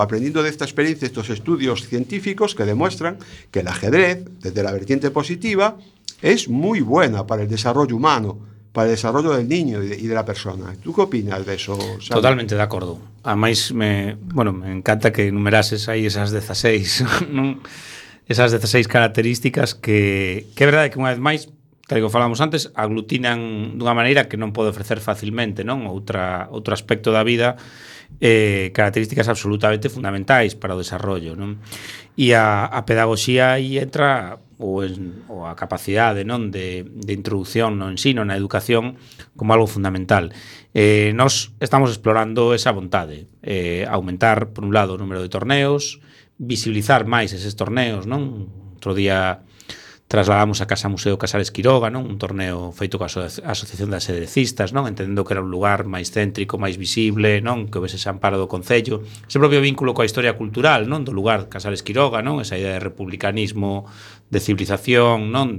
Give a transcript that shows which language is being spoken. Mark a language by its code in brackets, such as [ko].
[es] Aprendiendo de esta experiencia, estos estudios científicos que demuestran que el ajedrez, desde la vertiente positiva, es muy buena para el desarrollo humano, para el desarrollo del niño y de la persona. ¿Tú qué opinas de eso, Sandra? Totalmente de acuerdo. Además, me encanta que enumerases ahí esas 16, ¿no? [gl] Esas 16 características que é verdade que unha vez máis, tal como falamos antes, aglutinan dunha maneira que non pode ofrecer facilmente, non? Outro aspecto da vida, características absolutamente fundamentais para o desarrollo, non? E a pedagoxía aí entra ou a capacidade, non, de introducción no ensino, na educación, como algo fundamental. Nos estamos explorando esa vontade, aumentar, por un lado, o número de torneos, visibilizar máis eses torneos, non? Outro día trasladamos a Casa Museo Casares Quiroga, non? Un torneo feito coa Asociación de Asedrecistas, non? Entendendo que era un lugar máis céntrico, máis visible, non? Que houvese ese amparo do concello, ese propio vínculo coa historia cultural, non? Do lugar Casares Quiroga, non? Esa idea de republicanismo, de civilización, non?